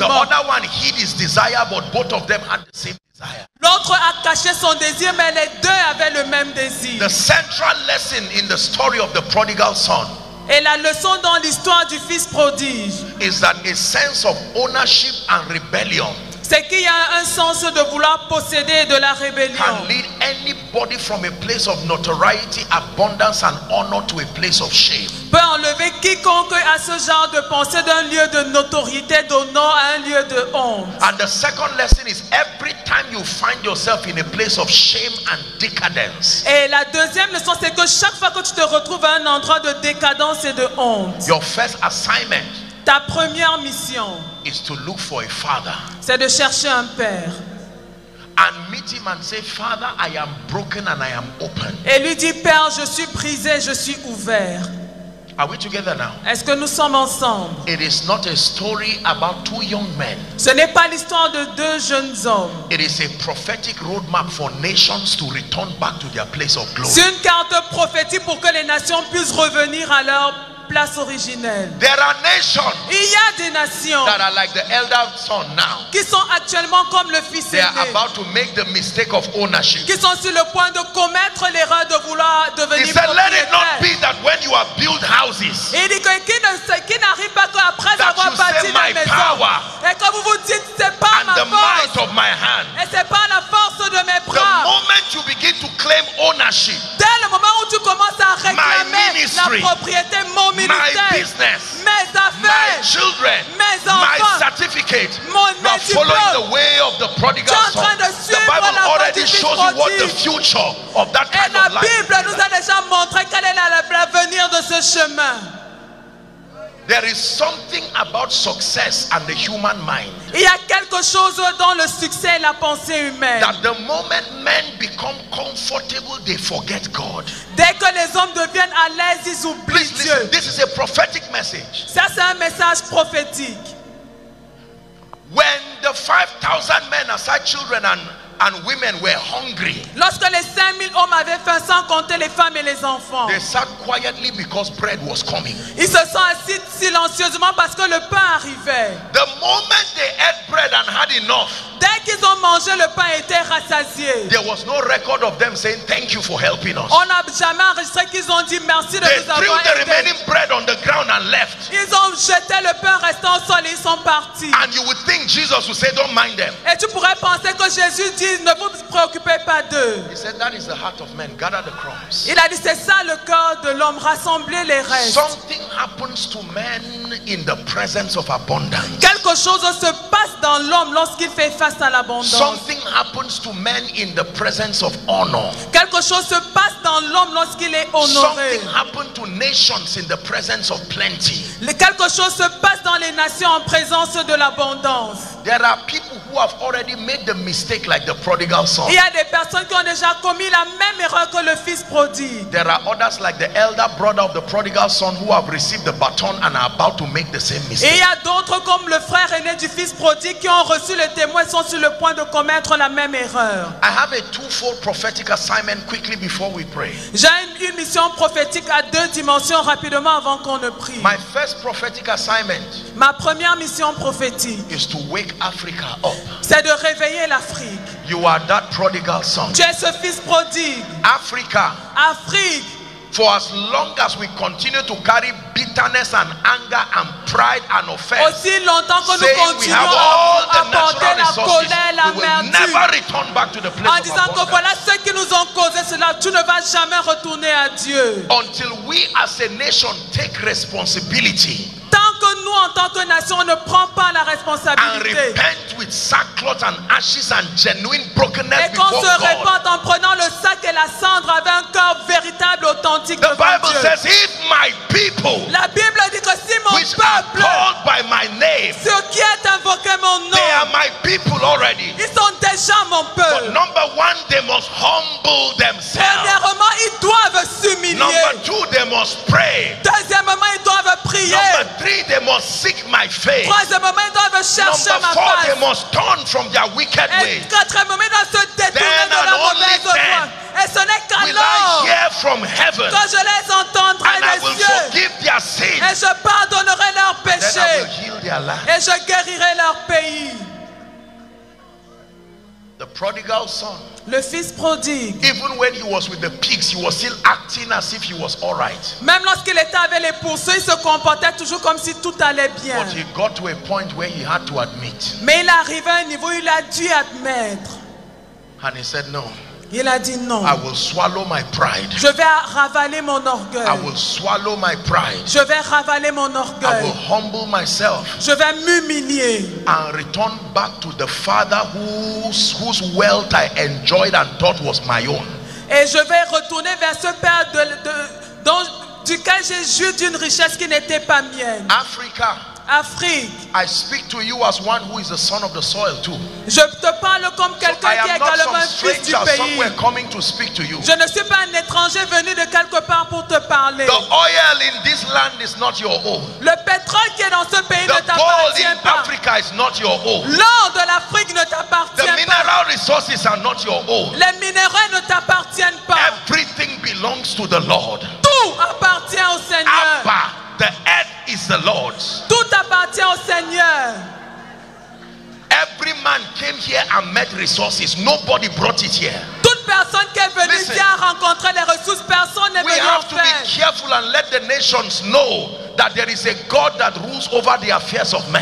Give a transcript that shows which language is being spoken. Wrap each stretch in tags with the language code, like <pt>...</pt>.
<en>The other one hid his desire, but both of them had the same desire.</en> <fr>L'autre a caché son désir, mais les deux avaient le même désir.</fr> <en>The central lesson in the story of the prodigal son.</en> <fr>Et la leçon dans l'histoire du fils prodige</fr> <en>is that a sense of ownership and rebellion</en> <fr>c'est qu'il y a un sens de vouloir posséder de la rébellion.</fr> <en>Can lead anybody from a place of notoriety, abundance and honor to a place of shame.</en> <fr>Peut enlever quiconque à ce genre de pensée d'un lieu de notoriété, d'honneur à un lieu de honte.</fr> <en>And the second lesson is every time you find yourself in a place of shame and decadence.</en> <fr>Et la deuxième leçon, c'est que chaque fois que tu te retrouves à un endroit de décadence et de honte,</fr> <en>your first assignment,</en> <fr>ta première mission,</fr> <en>is to look for a father.</en> <fr>C'est de chercher un père.</fr> <en>And meet him and say, Father, I am broken and I am open.</en> <fr>Et lui dit, Père, je suis brisé, je suis ouvert.</fr> <en>Are we together now?</en> <fr>Est-ce que nous sommes ensemble?</fr> <en>It is not a story about two young men.</en> <fr>Ce n'est pas l'histoire de deux jeunes hommes.</fr> <en>It is a prophetic roadmap for nations to return back to their place of glory.</en> <fr>C'est une carte prophétique pour que les nations puissent revenir à leur place originelle.</fr> <en>There are nations.</en> <fr>Il y a des nations</fr> <en>that are like the elder son now.</en> <fr>Qui sont actuellement comme le fils aîné.</fr> <en>They are about to make the mistake of ownership.</en> <fr>Qui sont sur le point de commettre l'erreur de vouloir devenir propriétaire.</fr> <en>He said, let it not be that when you have built houses.</en> <fr>Il dit que qui n'arrive pas que après avoir bâti la maison. Et que vous vous dites, c'est pas ma force.</fr> <en>And the might of my hand.</en> <fr>Et c'est pas la force de mes bras.</fr> <en>The moment you begin to claim ownership.</en> <fr>Dès le moment où tu commences à réclamer la propriété, mon</fr> <en>my business, my children, my certificate, you are following the way of the prodigal son. The Bible already shows you what the future of that kind of life is.</en> <fr>La Bible nous a déjà montré quel est l'avenir de ce chemin.</fr> <en>There is something about success and the human mind.</en> <fr>Il y a quelque chose dans le succès et la pensée humaine.</fr> <en>That the moment men become comfortable, they forget God.</en> <fr>Dès que les hommes deviennent à l'aise, ils oublient</fr> <en>Please,</en> <fr>Dieu.</fr> <en>Listen, this is a prophetic message.</en> <fr>Ça, c'est un message prophétique.</fr> <en>When the 5,000 men aside children and women were hungry.</en> <fr>Lorsque les 5000 hommes avaient faim sans compter les femmes et les enfants.</fr> <en>They sat quietly because bread was coming.</en> <fr>Ils se sont assis silencieusement parce que le pain arrivait.</fr> <en>The moment they ate bread and had enough.</en> <fr>Dès qu'ils ont mangé, le pain était rassasié.</fr> <en>There was no record of them saying thank you for helping us.</en> <fr>On n'a jamais enregistré qu'ils ont dit merci de nous avoir aidés.</fr> <en>They threw the remaining bread on the ground and left.</en> <fr>Ils ont jeté le pain restant au sol et ils sont partis.</fr> <en>And you would think Jesus would say don't mind them.</en> <fr>Et tu pourrais penser que Jésus dit ne vous préoccupez pas d'eux.</fr> <en>He said that is the heart of man, gather the crumbs.</en> <fr>Il a dit c'est ça le cœur de l'homme, rassembler les restes.</fr> <en>Something happens to men in the presence of abundance.</en> <fr>Quelque chose se passe dans l'homme lorsqu'il fait face.</fr> <en>Something happens to men in the presence of honor.</en> <fr>Quelque chose se passe dans l'homme lorsqu'il est honoré.</fr> <en>Something happens to nations in the presence of plenty.</en> <fr>Quelque chose se passe dans les nations en présence de l'abondance.</fr> <en>There are people who have already made the mistake like the prodigal son.</en> <fr>Il y a des personnes qui ont déjà commis la même erreur que le fils prodigue.</fr> <en>There are others like the elder brother of the prodigal son who have received the baton and are about to make the same mistake.</en> <fr>Et il y a d'autres comme le frère aîné du fils prodigue qui ont reçu le témoin sont sur le point de commettre la même erreur.</fr> <en>I have a twofold prophetic assignment quickly before we pray.</en> <fr>J'ai une mission prophétique à deux dimensions rapidement avant qu'on ne prie.</fr> <en>My first prophetic assignment.</en> <fr>Ma première mission prophétique.</fr> <en>Is to wake Africa up.</en> <fr>C'est de réveiller l'Afrique.</fr> <en>You are that prodigal son.</en> <fr>Tu es ce fils prodigue.</fr> <en>Africa.</en> <fr>Afrique.</fr> <en>For as long as we continue to carry bitterness and anger and pride and offense,</en> <fr>aussi longtemps que nous continuons à porter la colère, la merde,</fr> <en>return back to the place</en> <fr>en disant que voilà ce qui nous ont causé cela, tu ne vas jamais retourner à Dieu.</fr> <en>Until we as a nation take responsibility.</en> <fr>Tant que nous en tant que nation ne prend pas la responsabilité</fr> <en>and repent with sackcloth and ashes and genuine brokenness</en> <fr>et qu'on</fr> <en>before</en> <fr>se repente en prenant le sac et la cendre avec un cœur véritable, authentique</fr> <en>the</en> <fr>devant</fr> <en>Bible</en> <fr>Dieu.</fr> <en>Says, if my people,</en> <fr>la Bible dit que si mon</fr> <en>which</en> <fr>peuple</fr> <en>are called by my name,</en> <fr>ce qui est invoqué mon nom</fr> <en>they are my people already.</en> <fr>Ils sont déjà mon peuple.</fr> <en>But number one, they must humble themselves.</en> <fr>Premièrement, ils doivent s'humilier.</fr> <en>Number two, they must pray.</en> <fr>Deuxièmement, ils doivent prier.</fr> <en>Number three, they must seek my face.</en> <fr>Troisièmement, ils doivent chercher</fr> <en>number four, face. They must turn from their wicked ways.</en> <fr>Et quatrièmement, ils doivent se détourner de la mauvaise voie. Et ce n'est qu'alors</fr> <en>will I hear from heaven,</en> <fr>que je les entendrai des</fr> <en>I will</en> <fr>yeux</fr> <en>forgive their sins,</en> <fr>et je pardonnerai leurs péchés</fr> <en>and then I will heal their land.</en> <fr>Et je guérirai leur pays.</fr> <en>The prodigal son.</en> <fr>Le fils prodigue.</fr> <en>Even when he was with the pigs, he was still acting as if he was all right.</en> <fr>Même lorsqu'il était avec les pourceaux, il se comportait toujours comme si tout allait bien.</fr> <en>But he got to a point where he had to admit.</en> <fr>Mais il arrivait à un niveau où il a dû admettre.</fr> <en>And he said no.</en> <fr>Il a dit non.</fr> <en>I will swallow my pride.</en> <fr>Je vais ravaler mon orgueil.</fr> <en>I will swallow my pride.</en> <fr>Je vais ravaler mon orgueil.</fr> <en>I will humble myself.</en> <fr>Je vais m'humilier.</fr> <en>And return back to the father whose wealth I enjoyed and thought was my own.</en> <fr>Et je vais retourner vers ce père duquel j'ai joui d'une richesse qui n'était pas mienne.</fr> <en>Africa.</en> <fr>Afrique.</fr> <en>I speak to you as one who is the son of the soil too.</en> <fr>Je te parle comme quelqu'un</fr> <en>so</en> <fr>qui est également fils du pays.</fr> <en>Somewhere coming to speak to you.</en> <fr>Je ne suis pas un étranger venu de quelque part pour te parler.</fr> <en>The oil in this land is not your own.</en> <fr>Le pétrole qui est dans ce pays</fr> <en>the</en> <fr>ne t'appartient pas.</fr> <en>Africa is not your own.</en> <fr>L'or de l'Afrique ne t'appartient</fr> <en>the Mineral resources are not your own.</en> <fr>Les minéraux ne t'appartiennent pas.</fr> <en>Everything belongs to the Lord.</en> <fr>Tout appartient au Seigneur.</fr> <en>Abba. The earth is the Lord's.</en> <fr>Tout appartient au Seigneur.</fr> <en>Every man came here and met resources. Nobody brought it here.</en> <fr>Toute personne qui est venue ici a rencontré les ressources. Personne n'est venu en fait.</fr> <en>We have to be careful and let the nations know that there is a God that rules over the affairs of men.</en>